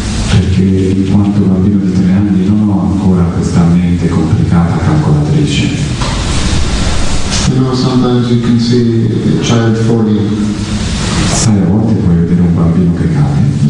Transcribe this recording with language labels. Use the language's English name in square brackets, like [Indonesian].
[Italian] Perché in quanto bambino di 3 anni non ho ancora questa mente complicata calcolatrice. [English] You know, sometimes you can see a child falling. [Italian] Sai, a volte puoi vedere un bambino che cade.